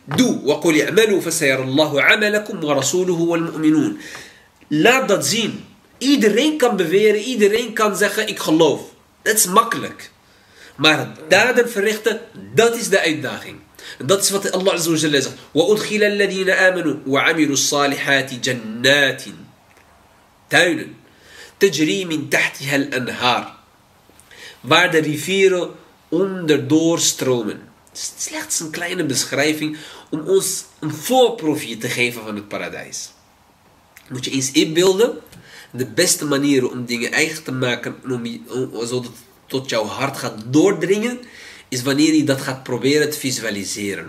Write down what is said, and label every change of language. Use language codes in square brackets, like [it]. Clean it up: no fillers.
[nl] Doe. [ar] وَقُلْ اعْمَلُوا فَسَيَرَ اللَّهُ عَمَلَكُمْ وَرَسُولُهُ وَالْمُؤْمِنُونَ. [nl] Laat dat zien. Iedereen kan beweren. Iedereen kan zeggen ik geloof. Het is makkelijk. Maar daden verrichten, dat is de uitdaging. Dat is wat Allah Azzawajal zegt. [ar] وَأُدْخِلَ الَّذِينَ آمَنُوا وَعَمِلُوا الصَّالِحَاتِ جَنَّاتٍ [nl] Tuinen. [ar] تَجْرِي مِنْ تَحْتِهَا الْأَنْهَارِ [nl] Waar de rivieren onderdoor stromen. Slechts een kleine beschrijving om ons een voorproefje te geven van het paradijs. Moet je eens inbeelden. De beste manieren om dingen eigen te maken, zodat het tot jouw hart gaat doordringen, is wanneer je dat gaat proberen te visualiseren.